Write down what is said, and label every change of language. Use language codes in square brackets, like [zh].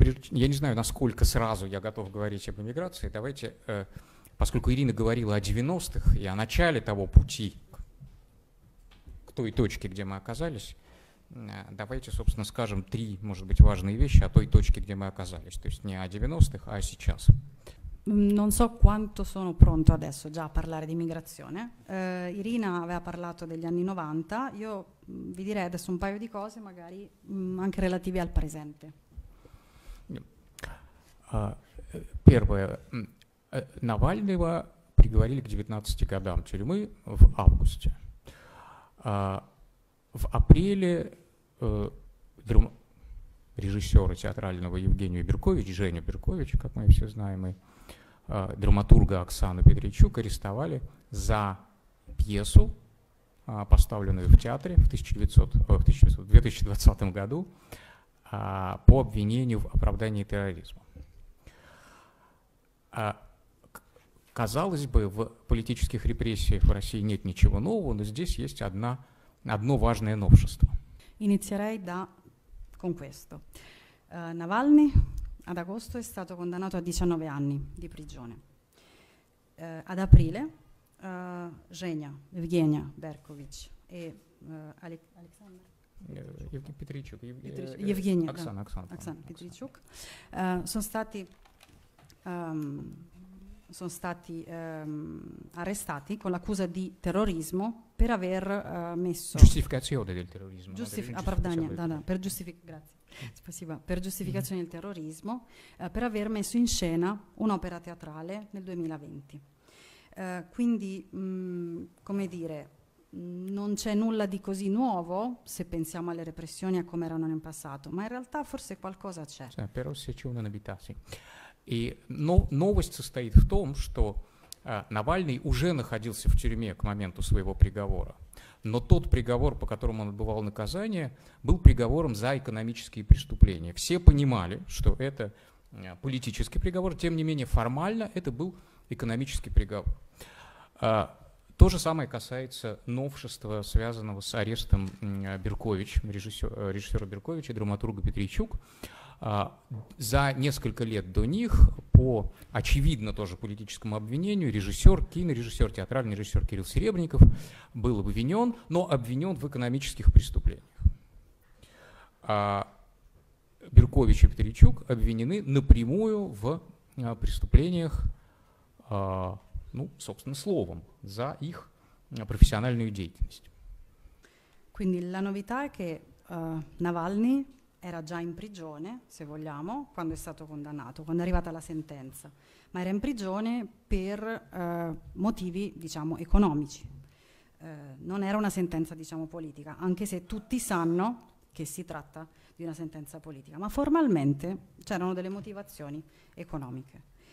[ru] Я не знаю, насколько сразу я готов говорить об эмиграции. Давайте, поскольку Ирина говорила о 90-х и о начале того пути к той точке, где мы оказались, давайте, собственно, скажем три, может быть, важные вещи о той точке, где мы оказались. То есть не о 90-х, а сейчас. [it] Non so quanto sono pronto adesso già a parlare di migrazione. Irina aveva parlato degli anni 90. Io vi direi adesso un paio di cose, magari anche relative al presente. [ru] Первое. Навального приговорили к 19 годам тюрьмы в августе. В апреле режиссера театрального Евгения Берковича, Женя Беркович, как мы все знаем, и драматурга Оксану Петричук арестовали за пьесу, поставленную в театре в 2020 году по обвинению в оправдании терроризма. Казалось бы, в политических репрессиях в России нет ничего нового, но здесь есть одно важное новшество. [it] Inizierei con questo. Navalny ad agosto è stato condannato a 19 anni di prigione. Ad aprile, Genia, Evgenia Berkovic e Alexander [ru] Евгений Петричук, Евгения, да, Оксана, Оксана, Оксана Оксана. [it] Петричук, sono stati arrestati con l'accusa di terrorismo. Per aver messo Giustificazione del terrorismo, giustificazione per giustificazione del terrorismo, per aver messo in scena un'opera teatrale nel 2020. Quindi, come dire, non c'è nulla di così nuovo se pensiamo alle repressioni a come erano in passato, ma in realtà forse qualcosa c'è. però se c'è una novità, sì. E no, novosti stai in tom, sto [ru] Навальный уже находился в тюрьме к моменту своего приговора, но тот приговор, по которому он отбывал наказание, был приговором за экономические преступления. Все понимали, что это политический приговор, тем не менее формально это был экономический приговор. То же самое касается новшества, связанного с арестом Беркович, режиссера Берковича и драматурга Петричук. За несколько лет до них, по очевидно тоже политическому обвинению, кинорежиссер, театральный режиссер Кирилл Серебренников был обвинен, но обвинен в экономических преступлениях. Беркович и Петричук обвинены напрямую в преступлениях, ну, собственно, словом, за их профессиональную деятельность. [it] Quindi la novità è che Navalny era già in prigione, se vogliamo, quando è stato condannato, quando è arrivata la sentenza, ma era in prigione per motivi, diciamo, economici. Non era una sentenza, diciamo, politica, anche se tutti sanno che si tratta di una sentenza politica, ma formalmente c'erano delle motivazioni economiche.